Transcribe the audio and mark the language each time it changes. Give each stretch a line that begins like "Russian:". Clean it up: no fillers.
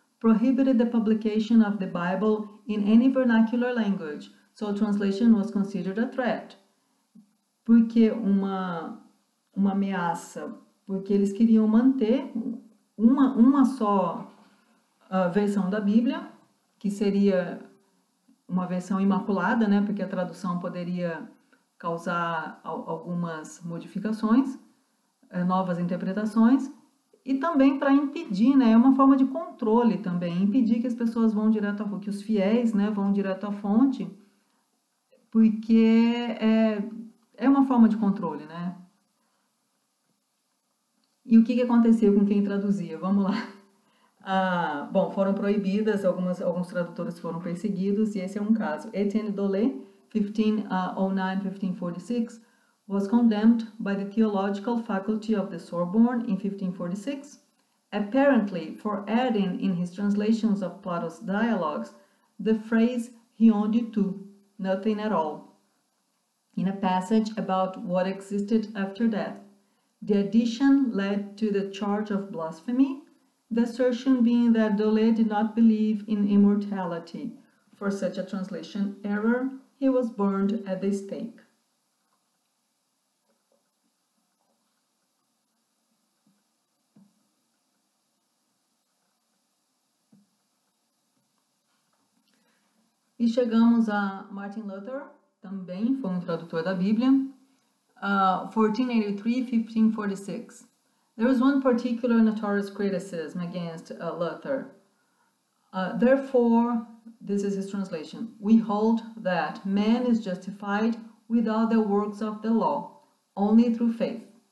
English: prohibited the publication of the Bible in any vernacular language, so translation was considered a threat.
Portuguese: Por que uma ameaça? Porque eles queriam manter uma só versão da Bíblia, que seria uma versão imaculada, né? Porque a tradução poderia causar algumas modificações, novas interpretações, e também para impedir, né? É uma forma de controle também, impedir que as pessoas vão direto à fonte, que os fiéis, né, vão direto à fonte, porque é uma forma de controle, né? E o que aconteceu com quem traduzia? Vamos lá. Bom, foram proibidas, alguns tradutores foram perseguidos, e esse é um caso.
English: Étienne Dolé, 1509-1546, was condemned by the theological faculty of the Sorbonne in 1546, apparently for adding in his translations of Plato's dialogues the phrase
French: rien du tout,
English: nothing at all, in a passage about what existed after death. The addition led to the charge of blasphemy, the assertion being that Dolé did not believe in immortality. For such a translation error, he was burned at the stake.
Portuguese: E chegamos a Martin Luther, também foi um tradutor da Bíblia. 1483-1546.
English: There is one particular notorious criticism against Luther. Therefore, this is his translation, we hold that man is justified without the works of the law, only through faith.